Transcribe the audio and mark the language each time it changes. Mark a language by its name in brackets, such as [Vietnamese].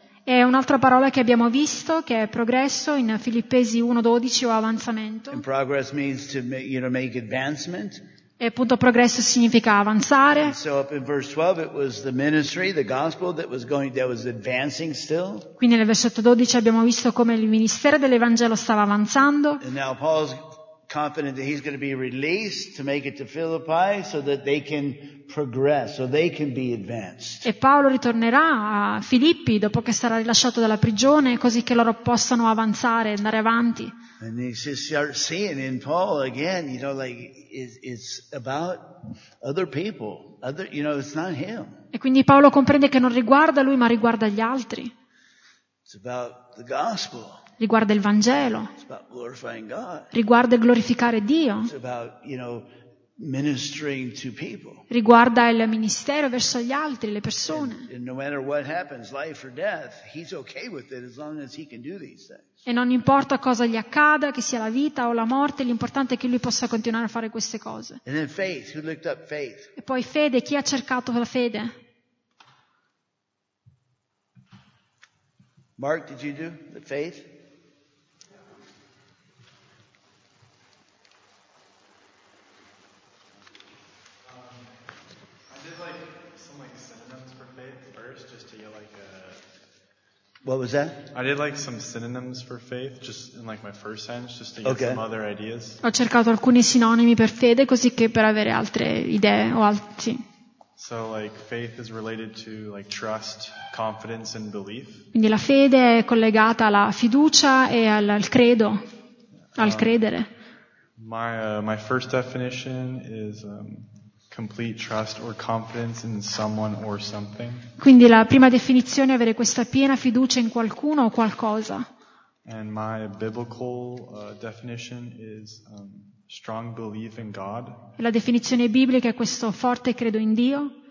[Italian] È un'altra parola che abbiamo visto, che è progresso, in Filippesi 1:12, o avanzamento. [English] And progress means to make, you know, make advancement. [Italian] E appunto progresso significa avanzare. [English] And so up in verse 12 it was the ministry, the gospel that was advancing still. [Italian] Quindi nel versetto 12 abbiamo visto come il ministero dell'Evangelo stava avanzando. [English] And now Paul's confident that he's going to be released to make it to Philippi so that they can progress, so they can be advanced. [Italian] E Paolo ritornerà a Filippi dopo che sarà rilasciato dalla prigione, così che loro possano avanzare, andare avanti. [English] And you just start seeing in Paul again, you know, like it's about other people, other, you know, it's not him. [Italian] E quindi Paolo comprende che non riguarda lui, ma riguarda gli altri. [English] It's about the gospel. [Italian] Riguarda il Vangelo. [English] It's about glorifying God. [Italian] Riguarda glorificare Dio. [English] It's about, you know, ministering to people. [Italian] Riguarda il ministero verso gli altri, le persone. [English] And no matter what happens, life or death, he's okay with it as long as he can do these things. [Italian] E non importa cosa gli accada, che sia la vita o la morte, l'importante è che lui possa continuare a fare queste cose. [English] And then faith, who looked up faith? [Italian] E poi fede, chi ha cercato la fede? [English] Mark, did you do the faith? What was that? I did like some synonyms for faith, just in like my first sentence, just to get okay. Some other ideas. [Italian] Ho cercato alcuni sinonimi per fede, così che per avere altre idee o altri. [English] So like faith is related to like trust, confidence, and belief. [Italian] Quindi la fede è collegata alla fiducia e al credo, al credere. [English] My first definition is. Complete trust or confidence in someone or something. [Italian] Quindi la prima definizione è avere questa piena fiducia in qualcuno o qualcosa. [English] And my biblical definition is strong belief in God. [Italian] E la definizione biblica è questo forte credo in Dio.